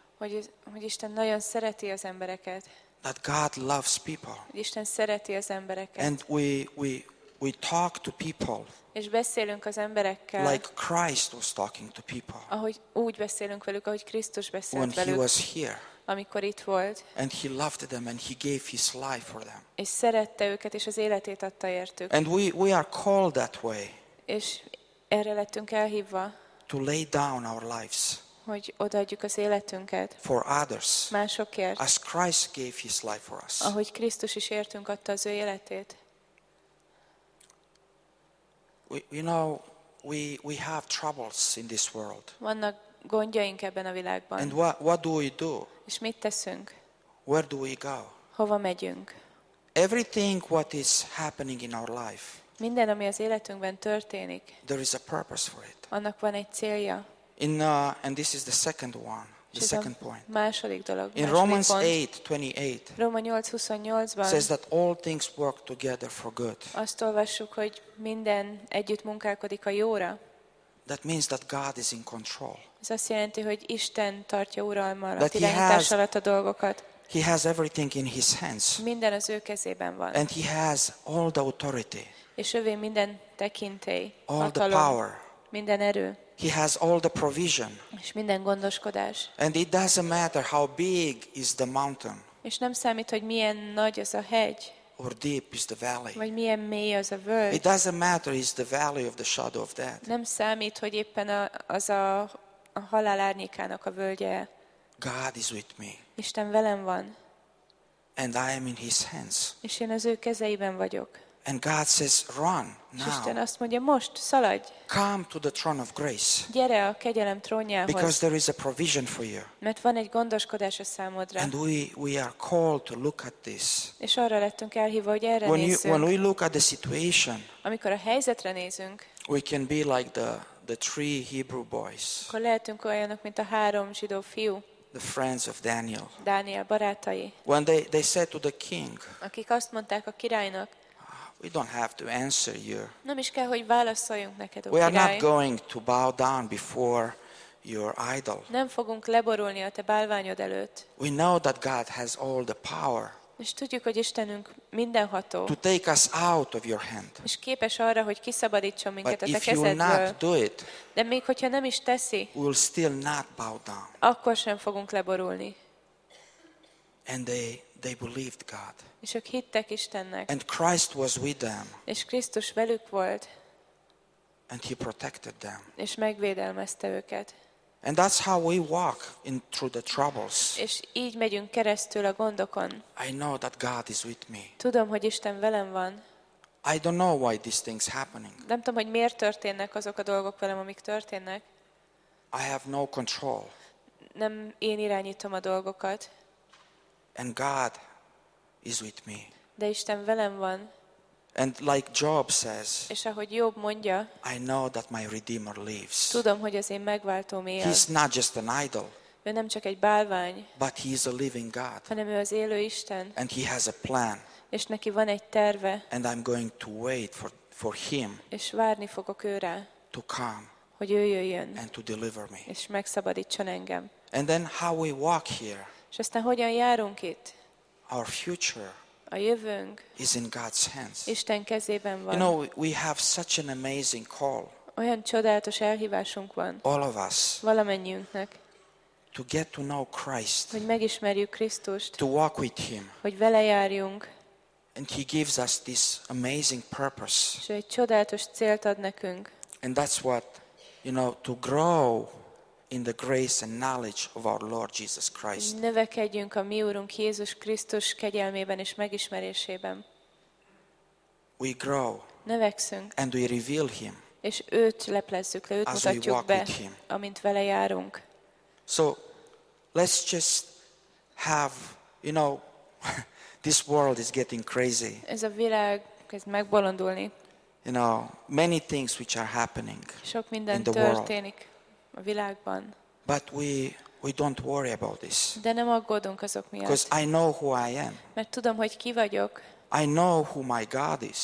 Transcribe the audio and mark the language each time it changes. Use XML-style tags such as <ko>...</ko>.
<hu>Hogy Isten nagyon szereti az embereket.</hu> <en>That God loves people.</en> <hu>Hogy Isten szereti az embereket.</hu> <en>And we talk to people.</en> <hu>És beszélünk az emberekkel.</hu> <en>Like Christ was talking to people.</en> <hu>Ahogy úgy beszélünk velük, ahogy Krisztus beszélt</hu> <en>when</en> <hu>velük.</hu> <en>He was here.</en> <hu>Amikor itt volt.</hu> <en>And he loved them and he gave his life for them.</en> <hu>És szerette őket és az életét adta értük.</hu> <en>And we are called that way.</en> <hu>És erre lettünk elhívva.</hu> <en>To lay down our lives.</en> <hu>Hogy odaadjuk az életünket.</hu> <en>For others.</en> <hu>Másokért.</hu> <en>As Christ gave his life for us.</en> <hu>Ahogy Krisztus is értünk adta az ő életét.</hu> <en>We have troubles in this world.</en> <hu>Vannak gondjaink ebben a világban.</hu> <en>And what do we do?</en> <hu>És mit teszünk?</hu> <en>Where do we go?</en> <hu>Hova megyünk?</hu> <en>Everything what is happening in our life.</en> <hu>Minden ami az életünkben történik.</hu> <en>There is a purpose for it.</en> <hu>Annak van egy célja.</hu> <en>And this is the second one, the second point.</en> <hu>Második dolog.</hu> <en>In Romans 8:28.</en> <hu>Róma 8:28-ban.</hu> <en>Says that all things work together for good.</en> <hu>Azt olvassuk, hogy minden együtt munkálkodik a jóra.</hu> <en>That means that God is in control.</en> <hu>Ez azt jelenti, hogy Isten tartja uralmal, a irányítás alatt a dolgokat.</hu> <en>He has everything in his hands.</en> <hu>Minden az ő kezében van.</hu> <en>And he has all the authority.</en> <hu>És övé minden tekintély.</hu> <en>All the power.</en> <hu>Minden erő.</hu> <en>He has all the provision.</en> <hu>És minden gondoskodás.</hu> <en>And it doesn't matter how big is the mountain.</en> <hu>És nem számít, hogy milyen nagy az a hegy.</hu> <en>Or deep is the valley.</en> <hu>Vagy milyen mély az a völgy.</hu> <en>It doesn't matter is the valley of the shadow of death.</en> <hu>Nem számít, hogy éppen az a halál árnyékának a völgye.</hu> <en>God is with me.</en> <hu>Isten velem van.</hu> <en>And I am in his hands.</en> <hu>És én az ő kezeiben vagyok.</hu> <en>And God says, run now.</en> <hu>Isten azt mondja, most szaladj.</hu> <en>Come to the throne of grace.</en> <hu>Gyere a kegyelem trónjához.</hu> <en>Because there is a provision for you.</en> <hu>Mert van egy gondoskodás a számodra.</hu> <en>And we are called to look at this.</en> <hu>És arra lettünk elhívva, hogy erre nézzünk.</hu> <en>When we look at the situation.</en> <hu>Amikor a helyzetre nézünk.</hu> <en>We can be like the three Hebrew boys.</en> <hu>Akkor lehetünk olyanok, mint a három zsidó fiú.</hu> <en>The friends of Daniel.</en> <hu>Dániel barátai.</hu> <en>When they said to the king.</en> <hu>Akik azt mondták a királynak.</hu> <en>We don't have to answer you.</en> <hu>Nem is kell, hogy válaszoljunk neked,</hu> <en>we are not going to bow down before your idol.</en> <hu>Nem fogunk leborulni a te bálványod előtt.</hu> <en>We know that God has all the power.</en> <hu>És tudjuk, hogy Istenünk mindenható.</hu> <en>To take us out of your hand.</en> <hu>És képes arra, hogy kiszabadítson minket a te kezedből.</hu> <en>But if you not do it,</en> <hu>de még hogyha nem is teszi,</hu> <en>we will still not bow down.</en> <hu>Akkor sem fogunk leborulni.</hu> <en>And they believed God.</en> <hu>És ők hittek Istennek.</hu> <en>And Christ was with them.</en> <hu>És Krisztus velük volt.</hu> <en>And he protected them.</en> <hu>És megvédelmezte őket.</hu> <en>And that's how we walk in through the troubles.</en> <hu>És így megyünk keresztül a gondokon.</hu> <en>I know that God is with me.</en> <hu>Tudom, hogy Isten velem van.</hu> <en>I don't know why these things happening.</en> <hu>Nem tudom, hogy miért történnek azok a dolgok velem, amik történnek.</hu> <en>I have no control.</en> <hu>Nem én irányítom a dolgokat.</hu> <en>And God is with me.</en> <hu>De Isten velem van.</hu> <en>And like Job says,</en> <hu>és ahogy Job mondja,</hu> <en>I know that my Redeemer lives.</en> <hu>Tudom, hogy az én megváltóm él.</hu> <en>He's not just an idol.</en> <hu>Ő nem csak egy bálvány.</hu> <en>But he is a living God.</en> <hu>Hanem ő az élő Isten.</hu> <en>And he has a plan.</en> <hu>És neki van egy terve.</hu> <en>And I'm going to wait for him.</en> <hu>És várni fogok őre.</hu> <en>To come.</en> <hu>Hogy ő jöjjön.</hu> <en>And to deliver me.</en> <hu>És megszabadítson engem.</hu> <en>And then how we walk here.</en> <hu>És aztán hogyan járunk itt?</hu> <en>Our future.</en> <hu>A jövőnk</hu> <en>is in God's hands.</en> <hu>Isten kezében van.</hu> <en>You know, we have such an amazing call.</en> <hu>Olyan csodálatos elhívásunk van.</hu> <en>All of us.</en> <hu>Valamennyünknek.</hu> <en>To get to know Christ.</en> <hu>Hogy megismerjük Krisztust.</hu> <en>To walk with him.</en> <hu>Hogy vele járjunk.</hu> <en>And he gives us this amazing purpose.</en> <hu>És egy csodálatos célt ad nekünk.</hu> <en>And that's what, you know, to grow in the grace and knowledge of our Lord Jesus Christ.</en> <hu>Növekedjünk a mi Úrunk Jézus Krisztus kegyelmében és megismerésében.</hu> <en>We grow.</en> <hu>Növekszünk.</hu> <en>And we reveal him.</en> <hu>És őt leplezzük le, őt mutatjuk be, amint vele járunk.</hu> <en>So let's just have, you know, this world is getting crazy.</en> <hu>Ez a világ kezd megbolondulni.</hu> <en>You know, many things which are happening.</en> <hu>Sok minden történik a világban.</hu> <en>But we don't worry about this.</en> <hu>De nem aggódunk azok miatt.</hu> <en>Because I know who I am.</en> <hu>Mert tudom, hogy ki vagyok.</hu> <en>I know who my God is.</en>